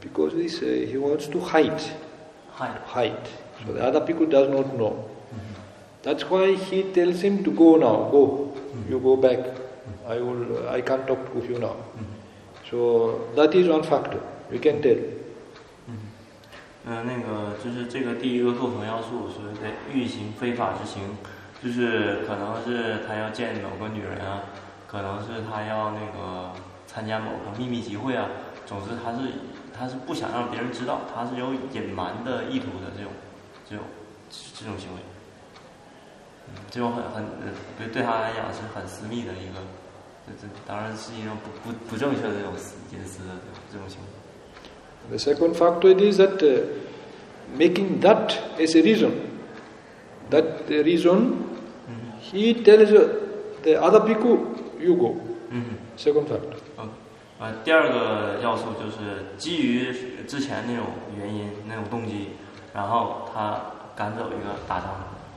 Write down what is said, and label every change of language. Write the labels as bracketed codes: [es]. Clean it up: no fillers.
[en] Because this, he wants to hide. Hide. So the other people does not know. Mm-hmm. That's why he tells him to go now, go. You go back. I can't talk with you now. So that is one factor, you can tell. [zh] 那个就是这个第一个构成要素，所以在欲行非法之行。就是可能是他要见某个女人啊，可能是他要那个参加某个秘密集会啊，总之他是不想让别人知道，他是有隐瞒的意图的这种行为，这种很对他来讲是很私密的一个，这当然是一种不正确的这种隐私的这种行为。 [en] The second factor is that making that as a reason. That the reason, he tells the other bhikkhu, you go. Second fact. [zh] 第二个要素就是基于之前那种原因、那种动机，然后他赶走一个打仗的。